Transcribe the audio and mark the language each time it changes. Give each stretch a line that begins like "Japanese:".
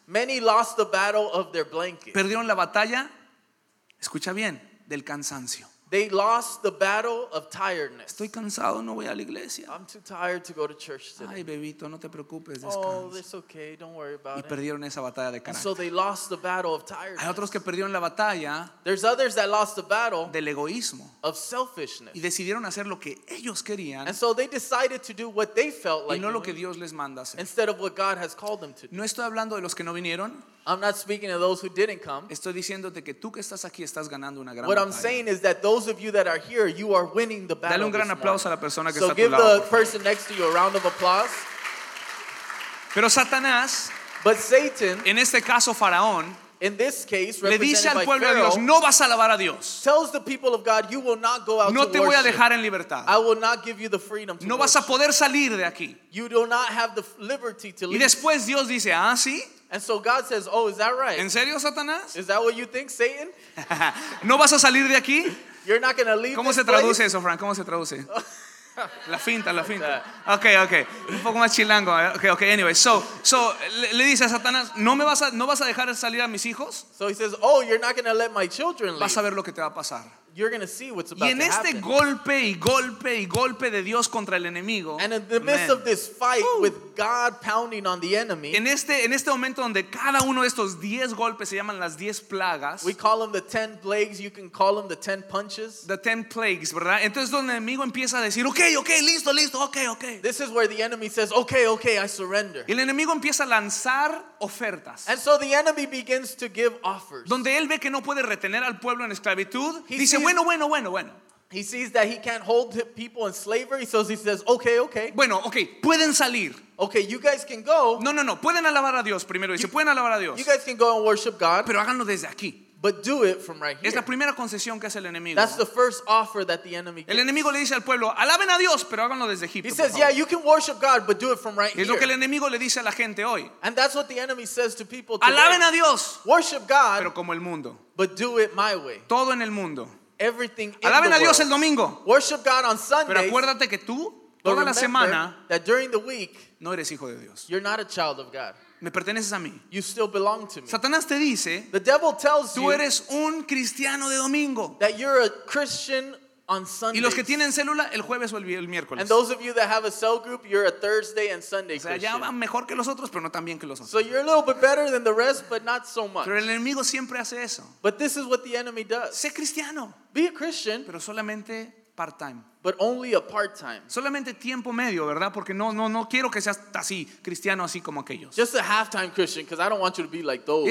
English: Many lost the battle of their blankets.
Spanish: Perdieron la batalla, escucha bien, del cansancio.
English: They lost the battle of tiredness.
Spanish: Estoy cansado, no voy a la iglesia.
English: I'm too tired to go to church today.
Spanish: Ay, bebito, no te preocupes, descansa.
English: Oh, it's okay, don't worry about
Spanish: y perdieron
English: it.
Spanish: Esa batalla de carácter.
English: And so they lost the battle of tiredness.
Spanish: Hay otros que perdieron la batalla.
English: There's others that lost the battle
Spanish: del egoísmo.
English: Of selfishness.
Spanish: Y decidieron hacer lo que ellos querían.
English: And so they decided to do what they felt like
Spanish: y no
English: doing,
Spanish: lo que Dios les manda hacer.
English: Instead of what God has called them to do.
Spanish: No estoy hablando de los que no vinieron.
English: I'm not speaking of those who didn't come.
Spanish: Estoy diciéndote que tú que estás aquí estás ganando una gran
English: what
Spanish: batalla.
English: I'm saying is that those of you that are here, you are winning the battle.
Spanish: Dale un gran aplauso a la persona que
English: so
Spanish: está
English: give
Spanish: a tu lado,
English: the person next to you a round of applause.
Spanish: Pero Satanás,
English: but Satan,
Spanish: en este caso Faraón,
English: in this case,
Spanish: le dice al pueblo de Dios, no vas a alabar a Dios.
English: Tells the people of God, you will not go out
Spanish: no
English: to worship.
Spanish: No te voy a dejar en libertad.
English: I will not give you the freedom to
Spanish: no
English: worship.
Spanish: Vas a poder salir de aquí.
English: You do not have the liberty to leave.
Spanish: Y después Dios dice, ah, sí.
English: And so God says, oh, is that right?
Spanish: ¿En serio, Satanás?
English: Is that what you think, Satan?
Spanish: ¿No vas a salir de aquí?
English: You're not going to leave.
Spanish: ¿Cómo
English: this
Spanish: se traduce
English: place?
Spanish: Eso, Frank? ¿Cómo se traduce? La finta, la finta. Okay, okay. Un poco más chilango. Okay, okay.
English: Anyway, so
Spanish: le dice a Satanás, ¿no vas a dejar salir a mis hijos?
English: So he says, oh, you're not going to let my children leave.
Spanish: Vas a ver lo que te va a pasar.
English: You're going to see what's about to happen.
Spanish: Y en este golpe y golpe y golpe de Dios contra el enemigo.
English: And in the midst of this fight with God pounding on the enemy.
Spanish: En este momento donde cada uno de estos 10 golpes se llaman las 10 plagas.
English: We call them the 10 plagues. You can call them the 10 punches. The 10 plagues,
Spanish: ¿verdad? Entonces donde el enemigo empieza a decir, okay, okay, listo, listo, okay, okay.
English: This is where the enemy says, okay, okay, I surrender.
Spanish: Y el enemigo empieza a lanzar ofertas.
English: And so the enemy begins to give offers.
Spanish: Donde él ve que no puede retener al pueblo en esclavitud. Bueno.
English: He sees that he can't hold people in slavery, so he says, okay, okay.
Spanish: Bueno, okay, pueden salir.
English: Okay, you guys can go.
Spanish: No, pueden alabar a Dios primero. Dice, pueden alabar a Dios.
English: You guys can go and worship God.
Spanish: Pero háganlo desde aquí.
English: But do it from right here.
Spanish: Es la primera concesión que hace el enemigo.
English: That's the first offer that the enemy gives.
Spanish: El enemigo le dice al pueblo, alaben a Dios, pero háganlo desde Egipto.
English: He says, yeah, you can worship God, but do it from right
Spanish: es
English: here.
Spanish: Es lo que el enemigo le dice a la gente hoy.
English: And that's what the enemy says to people today.
Spanish: Alaben a Dios.
English: Worship God.
Spanish: Pero como el mundo.
English: But do it my way.
Spanish: Todo en el mundo.
English: Everything in
Spanish: alaben
English: the
Spanish: a Dios
English: world.
Spanish: El domingo.
English: Worship God on Sundays.
Spanish: Pero acuérdate que tú, toda la semana,
English: that during the week,
Spanish: no eres hijo de Dios.
English: You're not a child of God.
Spanish: Me perteneces a mí.
English: You still belong to me.
Spanish: Satanás te dice,
English: the devil tells
Spanish: tú
English: you
Spanish: eres un cristiano de domingo.
English: That you're a Christian on Sundays.
Spanish: Y los que tienen célula, el jueves o el miércoles.
English: And those of you that have a cell group, you're a Thursday and Sunday Christian.
Spanish: O sea, ya van mejor que los otros, pero no tan bien que los otros.
English: So you're a little bit better than the rest, but not so much.
Spanish: Pero el enemigo siempre hace eso.
English: But this is what the enemy does.
Spanish: Sé cristiano.
English: Be a Christian.
Spanish: Pero solamente part-time.
English: But only a part-time.
Spanish: Solamente tiempo medio, ¿verdad? Porque no quiero que seas así, cristiano así como aquellos.
English: Just a half-time Christian, because I don't want you to be like those.